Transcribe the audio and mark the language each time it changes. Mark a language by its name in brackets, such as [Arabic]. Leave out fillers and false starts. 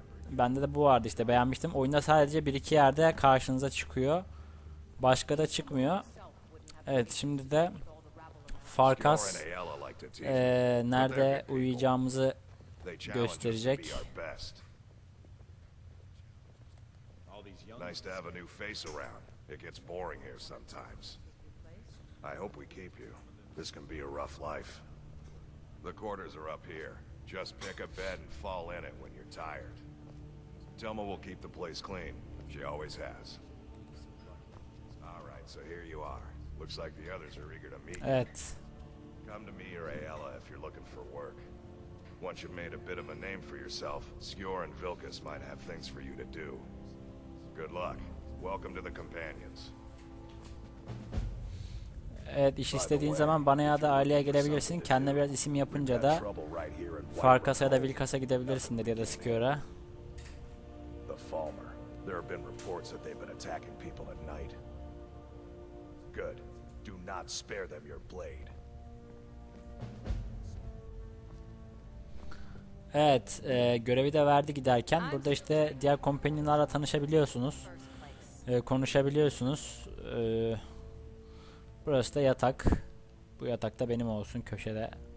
[Turkish] Bende de bu vardı işte, beğenmiştim. Oyunda sadece bir iki yerde karşınıza çıkıyor. Başka da çıkmıyor. Evet, şimdi de Farkas nerede uyuyacağımızı gösterecek. [English] Nice to have a new face around. It gets boring here sometimes. I hope we keep you. This can be a rough life. The quarters are up here. Just pick a bed and fall in it when you're tired. Thelma will keep the place clean. She always has. All right, so here you are. Looks like the others are eager to meet you. [Turkish] Evet. [English] Come to me or Ayla if you're looking for work. Once you've made a bit of a name for yourself, Skjor and Vilkas might have things for you to do. Good luck. Welcome to the companions. [Turkish] Evet, iş istediğin zaman bana ya da aileye gelebilirsin. Kendine biraz isim yapınca da Farkas'a ya da Vilkas'a gidebilirsin dedi ya da Skjor'a. [English] The Falmer. There have been reports that they've been attacking people at night. Good. Do not spare them your blade. [Turkish] Evet, görevi de verdi giderken. Burada işte diğer companionlarla tanışabiliyorsunuz. Konuşabiliyorsunuz. Burası da yatak. Bu yatak da benim olsun köşede.